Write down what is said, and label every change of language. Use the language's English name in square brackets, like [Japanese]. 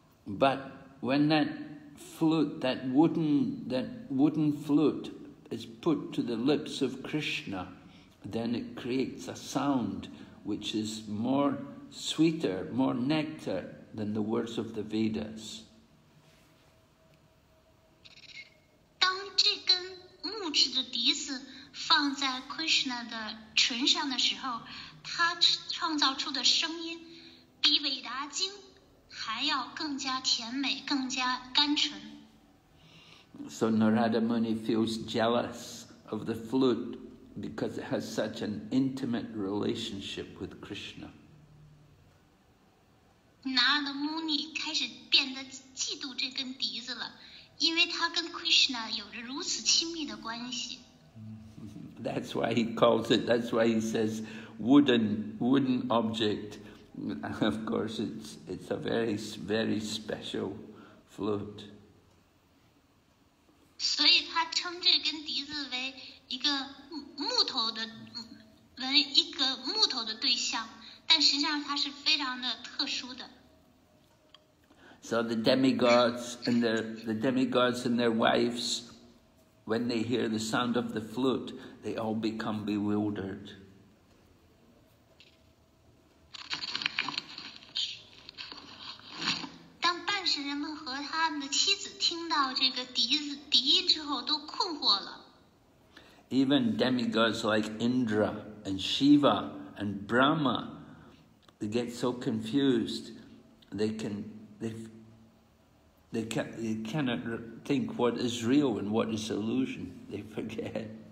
[English] But when that flute, that wooden flute is put to the lips of Krishna, then it creates a sound which is more sweeter, more nectar than the words of the Vedas. [Chinese] 当这根木质的笛子放在 Krishna 的唇上的时候，他创造出的声音比韦达经还要更加甜美，更加甘醇。 [English] So Narada Muni feels jealous of the flute because it has such an intimate relationship with Krishna. [Chinese] Narada Muni 开始变得嫉妒这根笛子了，因为他跟 Krishna 有着如此亲密的关系。 [English] That's why he calls it, that's why he says wooden object. Of course, it's a very, very special flute. [Chinese] 所以他称这根笛子为一个木头的，为一个木头的对象，但实际上它是非常的特殊的。 [English] So the demigods and the demigods and their wives, when they hear the sound of the flute,They all become bewildered. [Chinese] 当半神人们和他们的妻子听到这个笛音之后，都困惑了。 [English] Even demigods like Indra and Shiva and Brahma, they get so confused. They cannot think what is real and what is illusion. They forget.